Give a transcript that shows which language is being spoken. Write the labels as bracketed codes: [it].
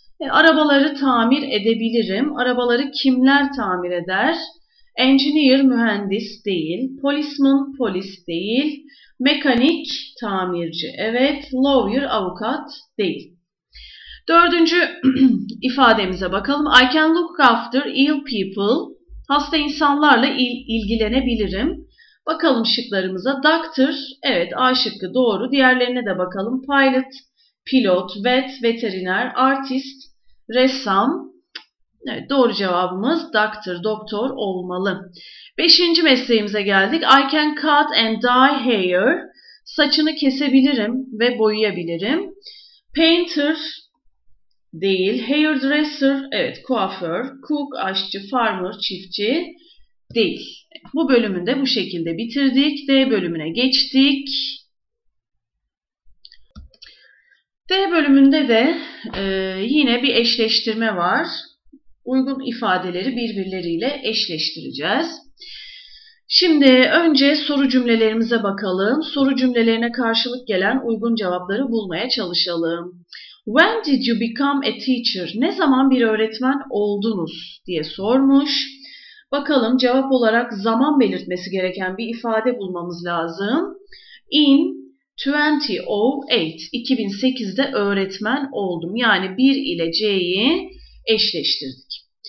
[tr] Arabaları tamir edebilirim. Arabaları kimler tamir eder? Engineer, mühendis değil. Policeman, polis değil. Mekanik, tamirci. Evet, lawyer, avukat değil. Dördüncü ifademize bakalım. [en] I can look after ill people. [tr] Hasta insanlarla ilgilenebilirim. Bakalım şıklarımıza. Doctor, evet A şıkkı doğru. Diğerlerine de bakalım. Pilot, pilot, veteriner, artist, ressam. Evet, doğru cevabımız doctor, doktor olmalı. Beşinci mesleğimize geldik. [en] I can cut and dye hair. [tr] Saçını kesebilirim ve boyayabilirim. Painter değil. Hairdresser, evet kuaför. Cook, aşçı, farmer, çiftçi değil. Bu bölümünü de bu şekilde bitirdik. D bölümüne geçtik. D bölümünde de yine bir eşleştirme var. Uygun ifadeleri birbirleriyle eşleştireceğiz. Şimdi önce soru cümlelerimize bakalım. Soru cümlelerine karşılık gelen uygun cevapları bulmaya çalışalım. [en] When did you become a teacher? [tr] Ne zaman bir öğretmen oldunuz diye sormuş. Bakalım cevap olarak zaman belirtmesi gereken bir ifade bulmamız lazım. In 2008, 2008'de öğretmen oldum. Yani 1 ile C'yi eşleştirdik.